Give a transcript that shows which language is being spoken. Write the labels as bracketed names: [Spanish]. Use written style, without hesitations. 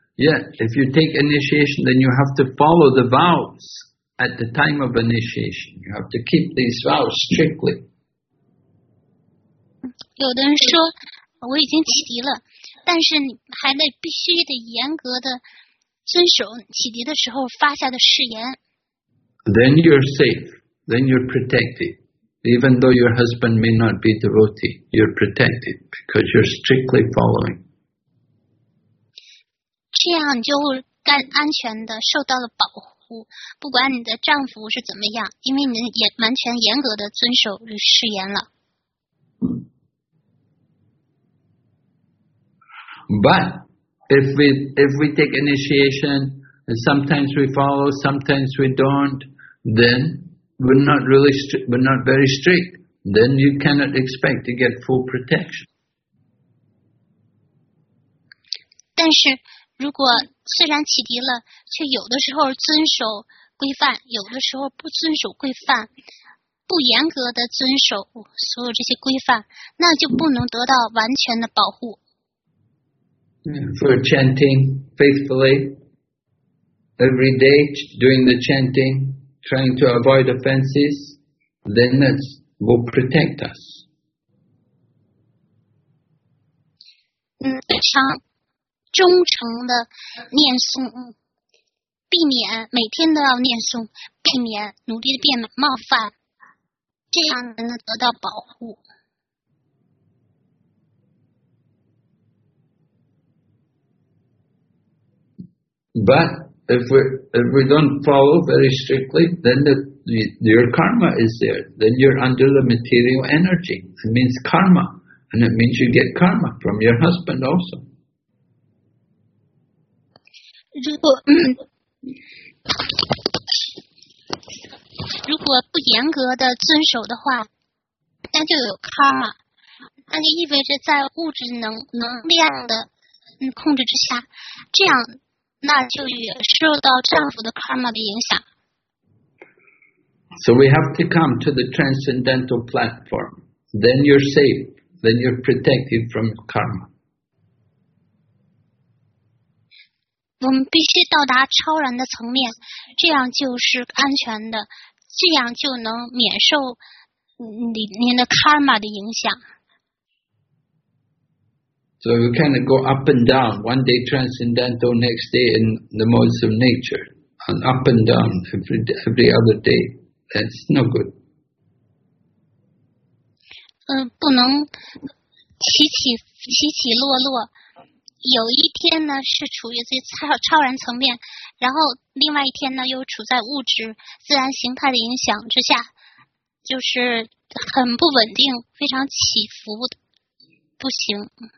[English] Yeah, if you take initiation, then you have to follow the vows at the time of initiation. You have to keep these vows strictly. [Chinese] 有的人说我已经启迪了，但是你还得必须得严格的遵守启迪的时候发下的誓言。 [English] Then you're safe. Then you're protected. Even though your husband may not be devotee, you're protected because you're strictly following. [Chinese] 这样你就干安全的受到了保护，不管你的丈夫是怎么样，因为你也完全严格的遵守誓言了。 [English] But. If we take initiation, and sometimes we follow, sometimes we don't, then we're not really we're not very strict. Then you cannot expect to get full protection. [Chinese] 但是如果虽然启迪了，却有的时候遵守规范，有的时候不遵守规范，不严格的遵守所有这些规范，那就不能得到完全的保护。 [English] For chanting faithfully every day, doing the chanting, trying to avoid offenses, then that will protect us. [Chinese] 常忠诚的念诵，避免每天都要念诵，避免努力的避免冒犯，这样能得到保护。 [English] But if we don't follow very strictly, then your karma is there. Then you're under the material energy. It means karma. And it means you get karma from your husband also. [Chinese] 如果不严格的遵守的话，那就有 karma. 那就意味着在物质能量的控制之下，这样那就也受到丈夫的 karma 的影响。 [English] So we have to come to the transcendental platform. Then you're safe. Then you're protected from karma. [Chinese] 我们必须到达超然的层面，这样就是安全的，这样就能免受您的 karma 的影响。 [English] So we kind of go up and down, one day transcendental, next day in the modes of nature, and up and down every other day. That's no good. [Chinese] 不能起起落落，有一天呢是处于这超然层面，然后另外一天呢又处在物质自然形态的影响之下，就是很不稳定，非常起伏的，不行。